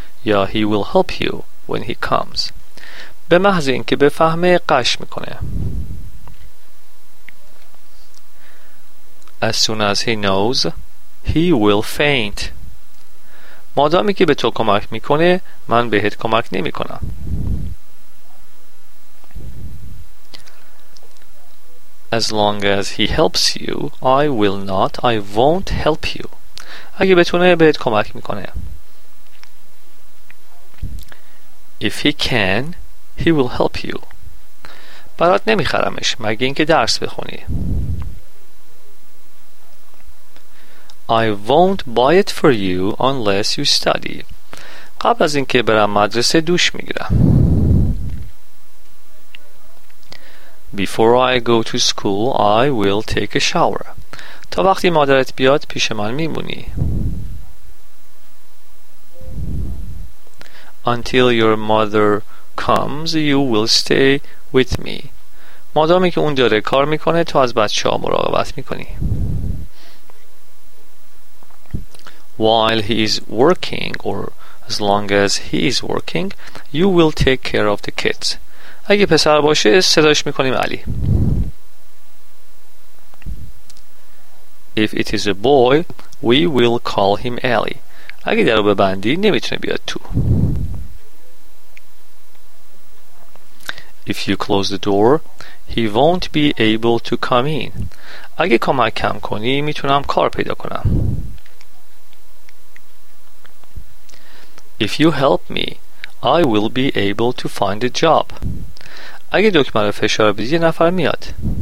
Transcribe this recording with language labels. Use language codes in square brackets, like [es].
[en] یا he will help you when he comes. [fa] به محض اینکه بفهمه قش میکنه. [en] As soon as he knows, he will faint. [fa] مادامی که به تو کمک میکنه، من بهت کمک نمیکنم. [en] As long as he helps you, I won't help you. [fa] اگه بتونه بهت کمک میکنه. [en] If he can, he will help you. [fa] برات نمیخرمش مگه اینکه درس بخونی. [en] I won't buy it for you unless you study. [fa] قبل از اینکه برم مدرسه دوش میگیرم. [en] Before I go to school, I will take a shower. [fa] تا وقتی مادرت بیاد پیش من میمونی. [en] Until your mother comes, you will stay with me. [fa] مادامی که اون داره کار میکنه تو از بچه ها مراقبت میکنی. [en] While he is working or as long as he is working, you will take care of the kids. [fa] اگه پسر باشه صداش میکنیم علی. [en] If it is a boy, we will call him Ali. [fa] اگه درو ببندی نمیتونه بیاد تو. [en] If you close the door, he won't be able to come in. [fa] اگه کمک کم کنی میتونم کار پیدا کنم. [en] If you help me, I will be able to find a job. [fa] اگه دکمه رو فشار بدی یه نفر میاد.